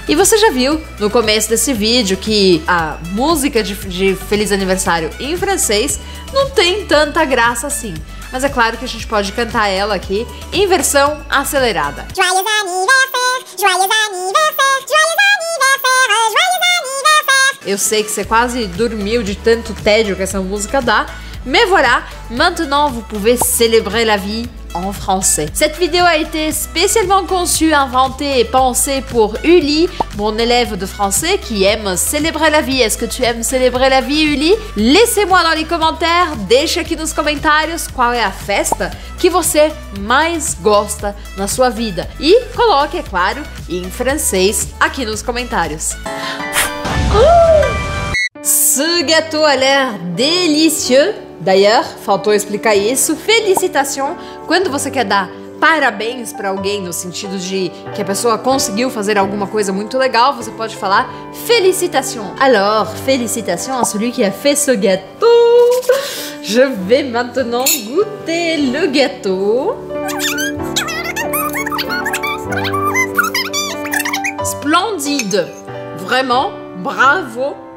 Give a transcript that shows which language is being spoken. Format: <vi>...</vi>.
<pt>E você já viu no começo desse vídeo que a música de feliz aniversário em francês não tem tanta graça assim. Mas é claro que a gente pode cantar ela aqui em versão acelerada.</pt> <fr>Joyeux anniversaire, joyeux anniversaire, joyeux anniversaire, joyeux anniversaire.</fr> <pt>Eu sei que você quase dormiu de tanto tédio que essa música dá.</pt> <fr>Mais voilà, maintenant vous pouvez célébrer la vie en français. Cette vidéo a été spécialement conçue, inventée et pensée pour Uli, mon élève de français qui aime célébrer la vie. Est-ce que tu aimes célébrer la vie, Uli? Laissez-moi dans les commentaires,</fr> <pt>deixa aqui nos comentários qual é a festa que você mais gosta na sua vida. E coloque, é claro, em francês aqui nos comentários.</pt> <fr>Ce gâteau a l'air délicieux.</fr> <pt>D'ailleurs, faltou explicar isso. Félicitations. Quando você quer dar parabéns para alguém no sentido de que a pessoa conseguiu fazer alguma coisa muito legal, você pode falar félicitations.</pt> <fr>Alors, félicitations à celui qui a fait ce gâteau. Je vais maintenant goûter le gâteau. Splendide. Vraiment, bravo.</fr>